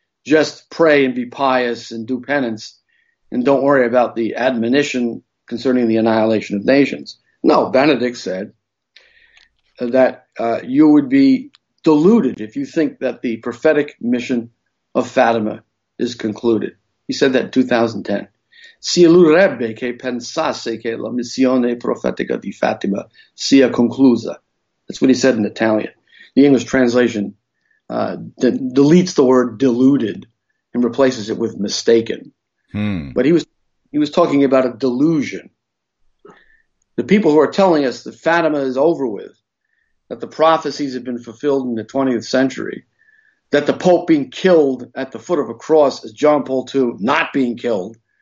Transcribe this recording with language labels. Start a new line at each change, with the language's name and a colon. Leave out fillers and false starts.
English: Just pray and be pious and do penance, and don't worry about the admonition concerning the annihilation of nations. No, Benedict said that you would be deluded if you think that the prophetic mission of Fatima is concluded. He said that in 2010.
Italian: Si illuderebbe che pensasse che la missione profetica di Fatima sia conclusa.
English: That's what he said in Italian. The English translation deletes the word deluded and replaces it with mistaken. Hmm. But he was talking about a delusion. The people who are telling us that Fatima is over with, that the prophecies have been fulfilled in the 20th century, that the Pope being killed at the foot of a cross is John Paul II not being killed.